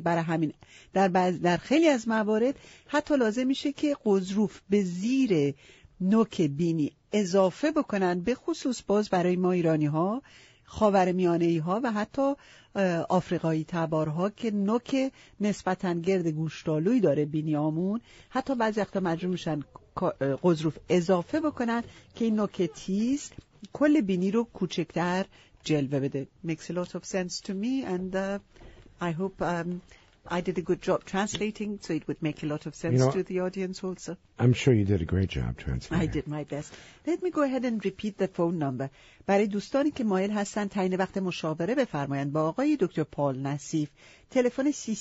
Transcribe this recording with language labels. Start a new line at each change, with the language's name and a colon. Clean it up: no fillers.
Persian: برای همین در خیلی از موارد حتی لازم میشه که قضروف به زیر نوک بینی اضافه بکنن، به خصوص باز برای ما ایرانی ها، خاورمیانه ای ها و حتی آفریقایی تبارها که نوک نسبتاً گرد گوشتالوی داره بینیامون، حتی بعضی وقتا مجبور میشن قضروف اضافه بکنن که این نوک تیز کل بینی رو کوچکتر جلوه بده.
English: Makes a lot of sense to me, and I hope I did a good job translating, so it would make a lot of sense, you know, to the audience also. I'm sure you did a great job translating. I did my best. Let me go ahead and repeat the phone number.
Persian: برای دوستانی که مایل هستند تعیین وقت مشاوره بفرمایند با آقای دکتر پال نصیف، تلفن 310-275-2467